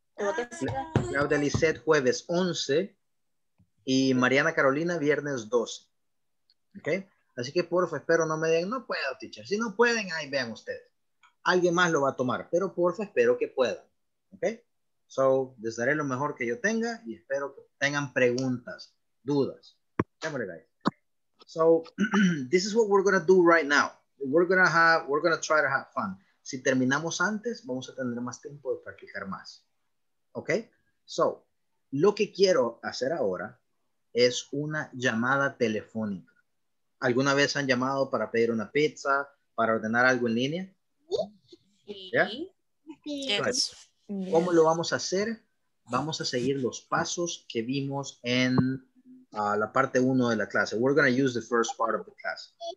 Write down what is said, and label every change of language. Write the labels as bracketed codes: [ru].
[es] Claudia Lisset, jueves 11. Y Mariana Carolina, viernes 12. Ok. Así que, porfa, espero no me digan, no puedo, teacher. Si no pueden, ahí vean ustedes. Alguien más lo va a tomar, pero porfa, espero que puedan. ¿Ok? So, les daré lo mejor que yo tenga y espero que tengan preguntas, dudas. [en] So, this is what we're going to do right now. We're going to try to have fun. [es] Si terminamos antes, vamos a tener más tiempo de practicar más. ¿Ok? So, lo que quiero hacer ahora es una llamada telefónica. ¿Alguna vez han llamado para pedir una pizza, para ordenar algo en línea? Sí. ¿Ya? [en] Yes. [es] ¿Cómo lo vamos a hacer? Vamos a seguir los pasos que vimos en la parte 1 de la clase. [en] We're going to use the first part of the class.